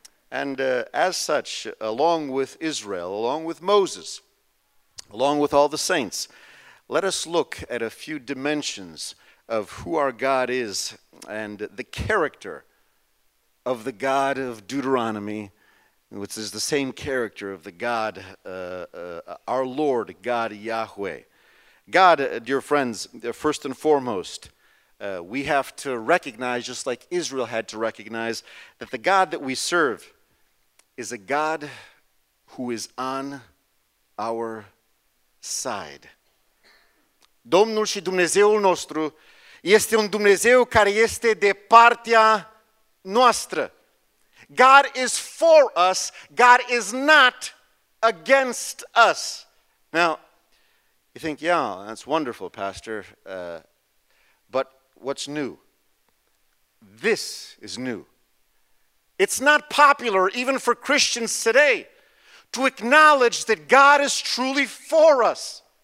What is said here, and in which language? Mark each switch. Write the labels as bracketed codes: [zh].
[en] And as such, along with Israel, along with Moses, along with all the saints, let us look at a few dimensions of who our God is and the character of the God of Deuteronomy, which is the same character of the God, our Lord, God Yahweh. God, dear friends, first and foremost, We have to recognize, just like Israel had to recognize, that the God that we serve is a God who is on our side. [ro] Domnul și Dumnezeul nostru este un Dumnezeu care este de partea noastră. [en] God is for us, God is not against us. Now, you think, yeah, that's wonderful, Pastor, but what's new? This is new. It's not popular, even for Christians today, to acknowledge that God is truly for us.